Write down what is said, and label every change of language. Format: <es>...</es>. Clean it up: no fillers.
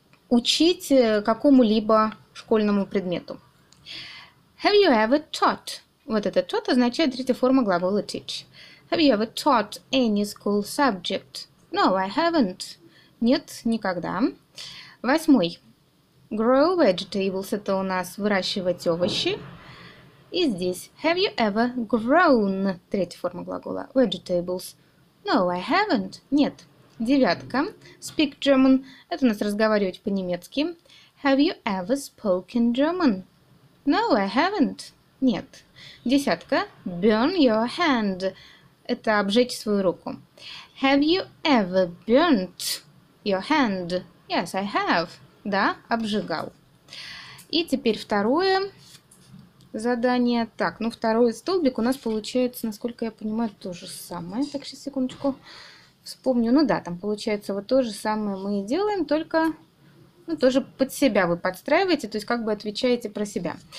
<ru>Учить какому-либо школьному предмету.</ru> <en>Have you ever taught?</en> <ru>Вот это taught означает третья форма глагола teach.</ru> <en>Have you ever taught any school subject? No, I haven't.</en> <ru>Нет, никогда. Восьмой.</ru> <en>Grow vegetables</en> <ru>– это у нас выращивать овощи. И здесь</ru> <en>have you ever grown</en> <ru>– третья форма глагола – vegetables.</ru> <en>No, I haven't.</en> <ru>Нет. Девятка.</ru> <en>Speak German</en> <ru>– это у нас разговаривать по-немецки.</ru> <en>Have you ever spoken German? No, I haven't.</en> <ru>Нет. Десятка.</ru> <en>Burn your hand</en> <ru>– это обжечь свою руку.</ru> <en>Have you ever burnt your hand? Yes, I have.</en> <ru>Да, обжигал. И теперь второе задание. Так, ну второй столбик у нас получается, насколько я понимаю, то же самое. Так, сейчас, секундочку, вспомню. Ну да, там получается вот то же самое мы и делаем, только, ну, тоже под себя вы подстраиваете, то есть как бы отвечаете про себя.</ru>